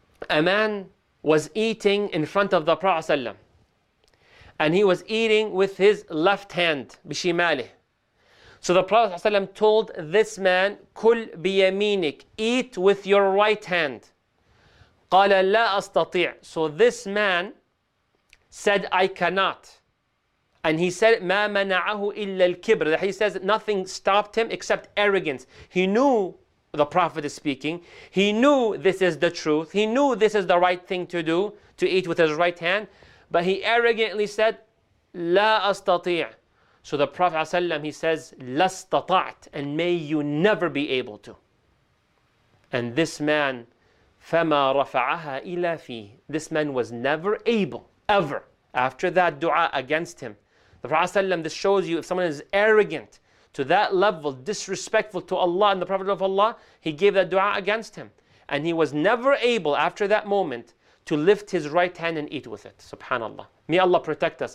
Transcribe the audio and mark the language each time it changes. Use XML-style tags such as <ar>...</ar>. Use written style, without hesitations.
<en>A man was eating in front of the Prophet ﷺ, and he was eating with his left hand, بشماله. So the Prophet ﷺ told this man,</en> <ar>كُلْ بِيَمِينِكْ,</ar> <en>eat with your right hand.</en> <ar>قَالَ لَا أَسْتَطِيعْ.</ar> <en>So this man said, I cannot. And he said,</en> <ar>مَا مَنَعَهُ إِلَّا الْكِبْرِ.</ar> <en>He says nothing stopped him except arrogance. He knew the Prophet is speaking. He knew this is the truth. He knew this is the right thing to do, to eat with his right hand. But he arrogantly said,</en> <ar>لَا أَسْتَطِيعْ.</ar> <en>So the Prophet ﷺ, he says,</en> <ar>لَا اسْتَطَعْتْ,</ar> <en>and may you never be able to. And this man,</en> <ar>فَمَا رَفَعَهَا إِلَى فِيهِ.</ar> <en>This man was never able, ever, after that dua against him. The Prophet ﷺ, this shows you, if someone is arrogant to that level, disrespectful to Allah and the Prophet of Allah, he gave that dua against him. And he was never able after that moment to lift his right hand and eat with it. Subhanallah. May Allah protect us.</en>